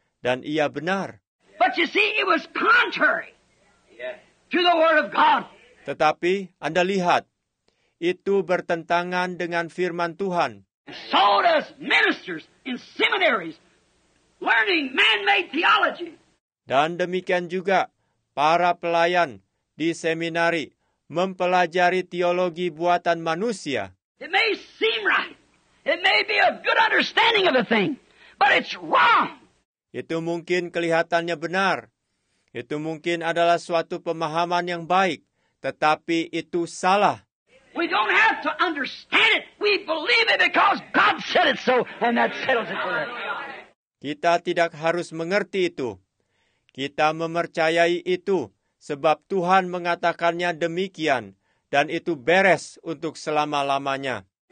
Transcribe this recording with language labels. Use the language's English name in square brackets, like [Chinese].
[Indonesian] Dan ia benar. [English] But you see, it was contrary to the word of God. [Indonesian] Tetapi Anda lihat, itu bertentangan dengan firman Tuhan. [English] So does ministers in seminaries learning man-made theology. [Indonesian] Dan demikian juga para pelayan di seminari mempelajari teologi buatan manusia. [English] It may seem right. It may be a good understanding of a thing, but it's wrong. [Indonesian] Itu mungkin kelihatannya benar. Itu mungkin adalah suatu pemahaman yang baik, tetapi itu salah. [English] We don't have to understand it. We believe it because God said it so, and that settles it forever. [Indonesian] Kita tidak harus mengerti itu. Kita mempercayai itu sebab Tuhan mengatakannya demikian dan itu beres untuk selama-lamanya.